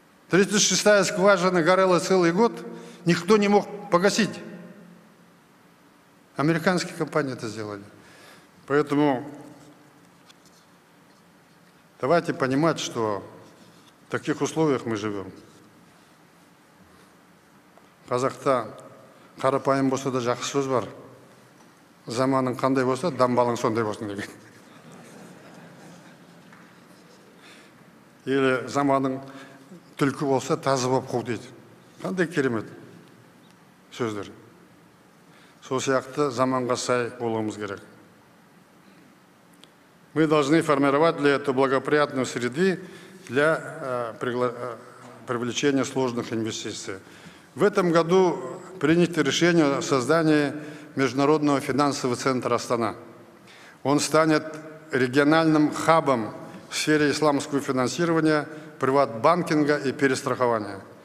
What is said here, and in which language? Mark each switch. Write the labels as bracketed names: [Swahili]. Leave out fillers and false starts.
[Russian] 36-я скважина горела целый год, никто не мог погасить. Американские компании это сделали. Поэтому давайте понимать, что в таких условиях мы живем. Казахстан. [Kazakh] Қарапайым болса да жақсы сөз бар. Заманың қандай болса, дамбалың сондай болсын деген. [Russian] Или [Kazakh] заманың түлкі болса, тазы боп қу дейді. Қандай керемет сөздер. Сол сияқты заманға сай болуымыз керек. [Russian] Мы должны формировать для этого благоприятную среду для привлечения сложных инвестиций. В этом году принято решение о создании Международного финансового центра Астана. Он станет региональным хабом в сфере исламского финансирования, приватбанкинга и перестрахования.